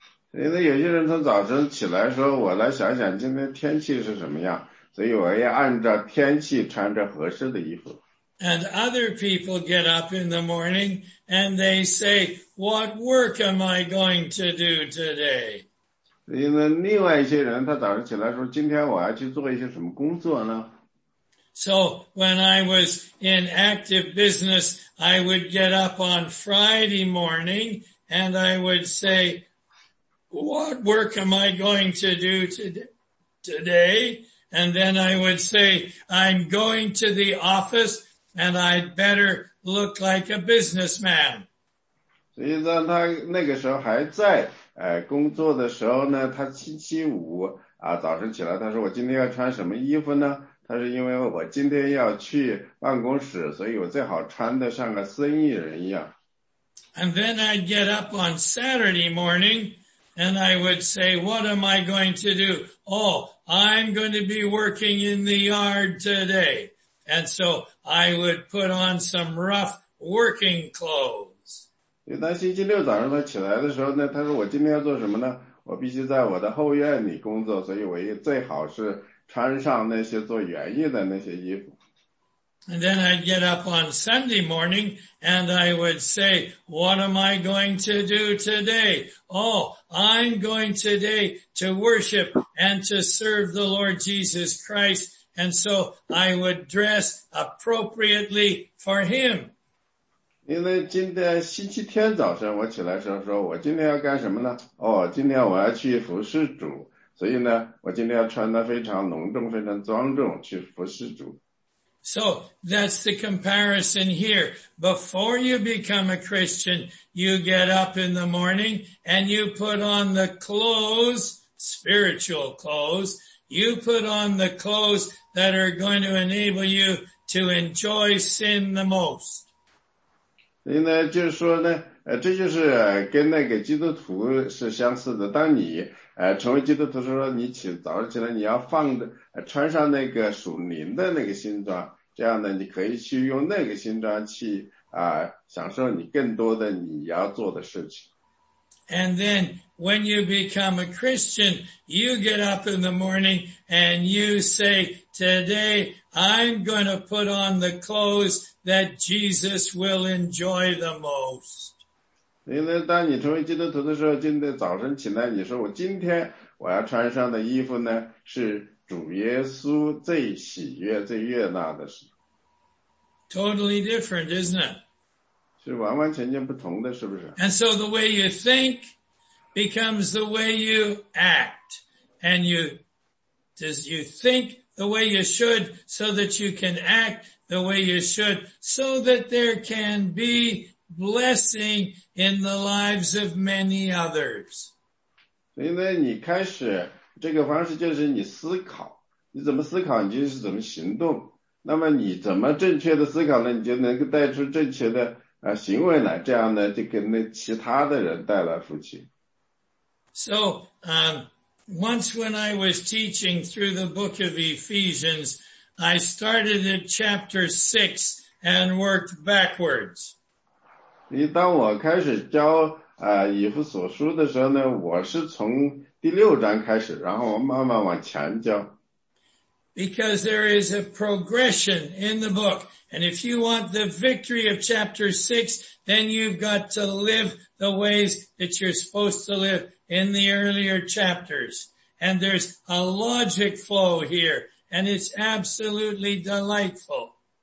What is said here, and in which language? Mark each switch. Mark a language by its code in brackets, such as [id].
[zh] 那有些人从早晨起来说，我来想想今天天气是什么样。所以我要按照天气穿着合适的衣服。 [en] And other people get up in the morning and they say, what work am I going to do today? [zh] 所以呢，另外一些人他早上起来说，今天我要去做一些什么工作呢？ [en] So when I was in active business, I would get up on Friday morning and I would say, what work am I going to do today? And then I would say, I'm going to the office and I'd better look like a businessman. [zh] 实际上他那个时候还在工作的时候呢，他星期五啊早上起来，他说我今天要穿什么衣服呢？他是因为我今天要去办公室，所以我最好穿得像个生意人一样。 [en] And then I'd get up on Saturday morning and I would say, what am I going to do? Oh,I'm going to be working in the yard today. And so I would put on some rough working clothes. [zh] 因为他星期六早上他起来的时候呢，他说我今天要做什么呢？我必须在我的后院里工作，所以我最好是穿上那些做园艺的那些衣服。 [en] And then I'd get up on Sunday morning and I would say, what am I going to do today? Oh, I'm going today to worship and to serve the Lord Jesus Christ. And so I would dress appropriately for him. [zh] 因为今天星期天早上我起来的时候说我今天要干什么呢？哦，今天我要去服侍主。所以呢，我今天要穿得非常隆重，非常庄重去服侍主。 [en] So that's the comparison here. Before you become a Christian, you get up in the morning and you put on the clothes, spiritual clothes, you put on the clothes that are going to enable you to enjoy sin the most. [zh] 那就是说呢，这就是跟那个基督徒是相似的。当你成为基督徒的时候，你起早上起来，你要放的穿上那个属灵的那个心装，这样呢，你可以去用那个心装去享受你更多的你要做的事情。 [en] And then when you become a Christian, you get up in the morning and you say, "Today I'm going to put on the clothes that Jesus will enjoy the most." [zh] 因为当你成为基督徒的时候，今天早晨起来，你说我今天我要穿上的衣服呢是。主耶稣最喜悦最悦纳的是。 [en] Totally different, isn't it? [zh] 是完完全全不同的，是不是？ [en] And so the way you think becomes the way you act. And you think the way you should so that you can act the way you should so that there can be blessing in the lives of many others. [zh] 所以呢，你开始这个方式就是你思考，你怎么思考你就是怎么行动，那么你怎么正确的思考呢，你就能够带出正确的行为来，这样呢就跟那其他的人带来福气。 [en] So, once when I was teaching through the book of Ephesians, I started at chapter 6 and worked backwards. [zh] 当我开始教以弗所书的时候呢, 我是从第六章开始, 然后慢慢往前教。 [en] Because there is a progression in the book. And if you want the victory of chapter 6, then you've got to live the ways that you're supposed to live in the earlier chapters. And there's a logic flow here, and it's absolutely delightful.